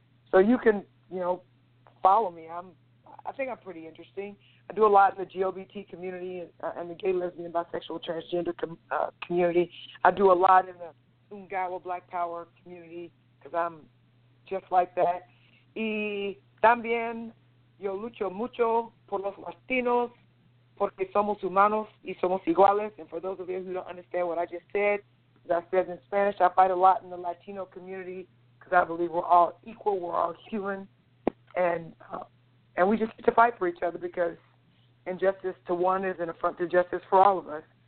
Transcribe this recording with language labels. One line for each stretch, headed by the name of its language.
English: So you can, you know, follow me. I think I'm pretty interesting. I do a lot in the GLBT community and the gay, lesbian, bisexual, transgender community. I do a lot in the Ungawa Black Power community because I'm just like that.
Spanish: Y también yo lucho mucho por los latinos porque somos humanos y somos iguales.
English: And for those of you who don't understand what I just said, as I said in Spanish, I fight a lot in the Latino community because I believe we're all equal, we're all human, and we just get to fight for each other because injustice to one is an affront to justice for all of us.